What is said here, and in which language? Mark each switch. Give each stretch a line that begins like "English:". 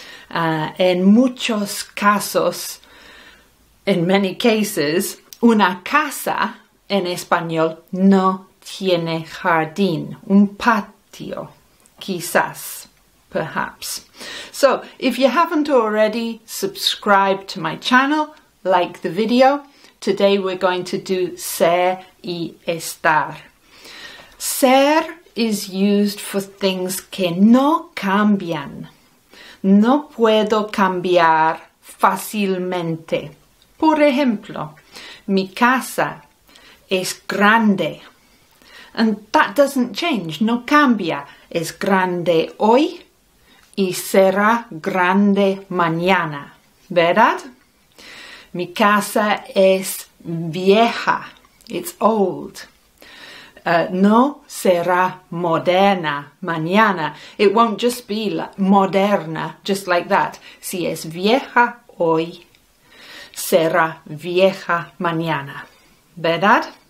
Spanish: En muchos casos,
English: in many cases,
Spanish: una casa, en español, no tiene jardín, un patio. Quizás,
English: perhaps. So, if you haven't already, subscribe to my channel, like the video. Today we're going to do ser y estar. Ser is used for things
Spanish: que no cambian. No puedo cambiar fácilmente. Por ejemplo, mi casa es grande.
English: And that doesn't change,
Spanish: no cambia. Es grande hoy y será grande mañana, ¿verdad? Mi casa es vieja,
English: it's old.
Spanish: No será moderna mañana.
English: It won't just be moderna, just like that.
Spanish: Si es vieja hoy, será vieja mañana, ¿verdad?